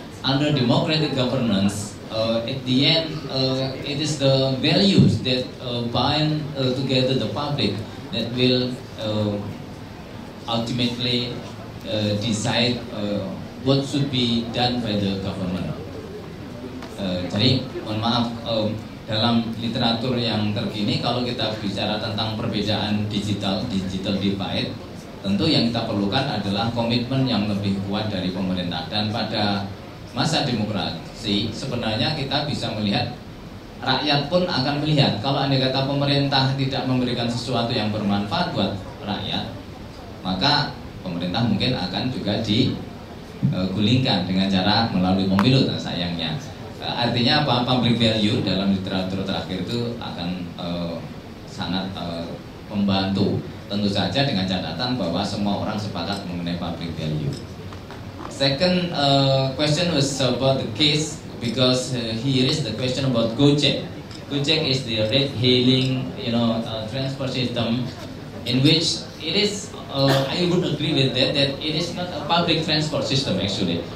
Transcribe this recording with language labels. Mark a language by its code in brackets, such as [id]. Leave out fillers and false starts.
[en] Under democratic governance, at the end, it is the values that bind together the public that will ultimately decide what should be done by the government. [id] Jadi, mohon maaf, dalam literatur yang terkini, kalau kita bicara tentang perbedaan digital, digital divide, tentu yang kita perlukan adalah komitmen yang lebih kuat dari pemerintah. Dan pada masa demokrasi, sebenarnya kita bisa melihat, rakyat pun akan melihat, kalau andai kata pemerintah tidak memberikan sesuatu yang bermanfaat buat rakyat, maka pemerintah mungkin akan juga digulingkan dengan cara melalui pemilu, nah, sayangnya. Artinya apa? Public value dalam literatur terakhir itu akan sangat membantu. Tentu saja dengan catatan bahwa semua orang sepakat mengenai public value. [en] Second question was about the case, because he raised the question about Gojek. Gojek is the red hailing, you know, transport system in which it is, I would agree with that, that it is not a public transport system actually.